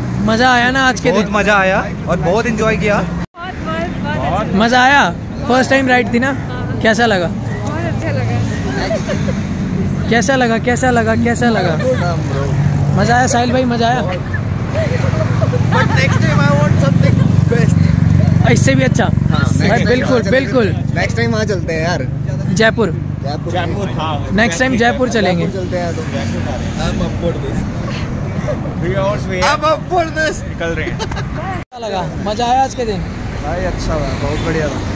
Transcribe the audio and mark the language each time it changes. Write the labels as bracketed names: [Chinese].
[Hindi] मजा आया ना आज के दिन? बहुत मजा आया और बहुत एंजॉय किया, मजा आया। फर्स्ट टाइम राइड थी ना, कैसा लगा? बहुत अच्छा लगा। कैसा लगा, कैसा लगा, कैसा लगा? मजा आया साहिल भाई, मजा आया। [English] But next time I want something best. [Hindi] इससे भी अच्छा? हाँ, बिल्कुल बिल्कुल, नेक्स्ट टाइम वहाँ चलते हैं यार, जयपुर, जयपुर, नेक्स्ट टाइम जयपुर चलेंगे। मजा आया आज के दिन भाई? अच्छा था, बहुत बढ़िया था,